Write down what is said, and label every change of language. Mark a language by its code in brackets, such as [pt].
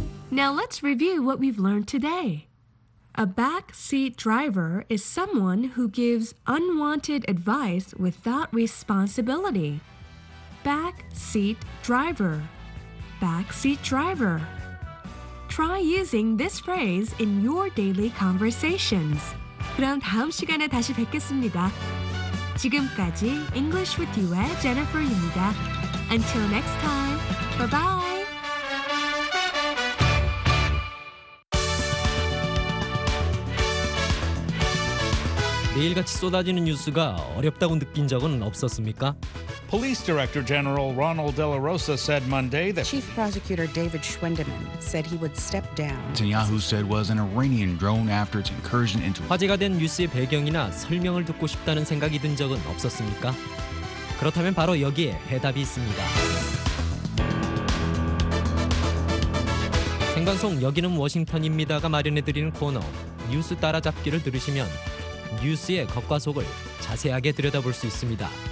[en] Now let's review what we've learned today. A backseat driver is someone who gives unwanted advice without responsibility. Backseat driver. Backseat driver. Try using this phrase in your daily conversations. [ko] 그럼 다음 시간에 다시 뵙겠습니다. 지금까지 English with You의 Jennifer입니다. [en] Until next time, bye-bye! [ko] Daily같이 쏟아지는 뉴스가 어렵다고 느낀 적은 없었습니까? [en] Police Director General Ronald De La Rosa said Monday that Chief Prosecutor David Schwendeman said he would step down. Netanyahu said was an Iranian drone after its incursion into [ko] 화제가 된 뉴스의 배경이나 설명을 듣고 싶다는 생각이 든 적은 없었습니까? 그렇다면 바로 여기에 해답이 있습니다. 생방송 여기는 워싱턴입니다가 마련해드리는 코너 뉴스 따라잡기를 들으시면 뉴스의 겉과 속을 자세하게 들여다볼 수 있습니다.